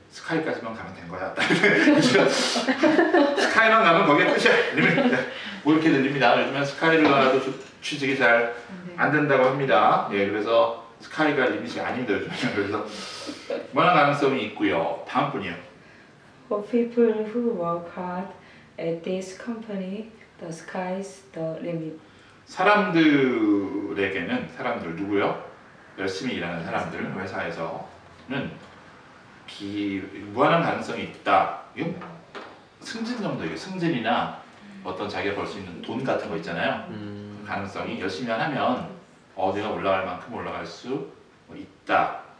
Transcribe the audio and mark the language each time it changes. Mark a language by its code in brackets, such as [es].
[ko] 스카이까지만 가면 된 거야. 스카이만 가면 거기에 끝이야. 뭐 이렇게 들립니다. 요즘엔 스카이를 가도 취직이 잘 안 된다고 합니다. 예, 그래서 스카이가 리밋이 아닙니다. 요즘에. 그래서 무한한 가능성이 있고요. 다음 분이요. [en] For people who work hard at this company, the sky is the limit. [ko] 사람들에게는 사람들 누구요? 열심히 일하는 사람들 회사에서는 무한한 가능성이 있다. 이게 승진 정도예요. 승진이나 어떤 자기가 벌 수 있는 돈 같은 거 있잖아요. 가능성이 열심히 하면 어디가 올라갈 만큼 올라갈 수 있다.